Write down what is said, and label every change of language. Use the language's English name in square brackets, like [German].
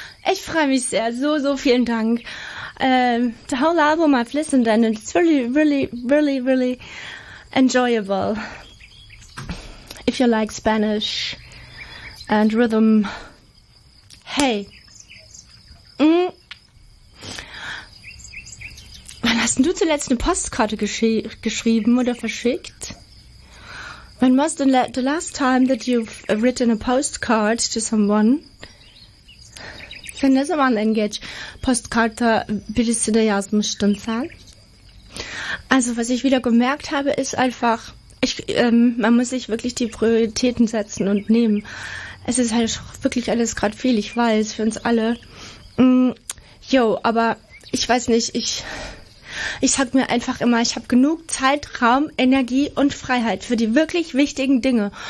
[German] Ich freue mich sehr, so, so vielen Dank. [English] The whole album I've listened to, and it's really, really, really, really enjoyable. If you like Spanish and rhythm. Hey! [German] Wann hast denn du zuletzt eine Postkarte geschrieben oder verschickt? [English] When was the last time that you've written a postcard to someone? [German] Wenn das mal ein Engage Postkarte, würdest du dir ja so eine Stunde zahlen? Also, was ich wieder gemerkt habe, ist einfach, man muss sich wirklich die Prioritäten setzen und nehmen. Es ist halt wirklich alles gerade viel, ich weiß, für uns alle. Jo, aber ich weiß nicht, ich sag mir einfach immer, ich habe genug Zeit, Raum, Energie und Freiheit für die wirklich wichtigen Dinge.